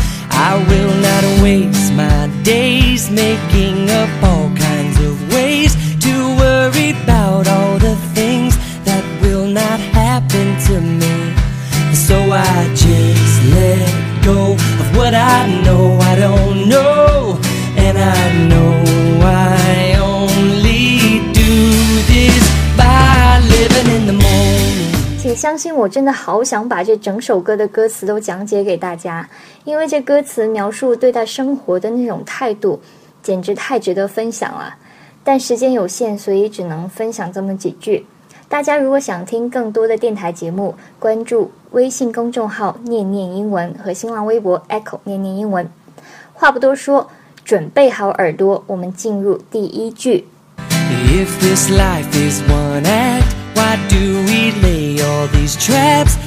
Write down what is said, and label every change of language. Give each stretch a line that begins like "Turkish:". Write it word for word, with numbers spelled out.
English: I will not waste my days making up all kinds of ways to worry about all the things that will not happen to me. So I just let go of what I know I don't know, and I know I only do this by living in the moment.
Chinese: 请相信我，真的好想把这整首歌的歌词都讲解给大家，因为这歌词描述对待生活的那种态度，简直太值得分享了。但时间有限，所以只能分享这么几句。大家如果想听更多的电台节目，关注微信公众号念念英文和新浪微博 Echo 念念英文。话不多说，准备好耳朵，我们进入第一句。
English: If this life is one act, why do we lay all these traps?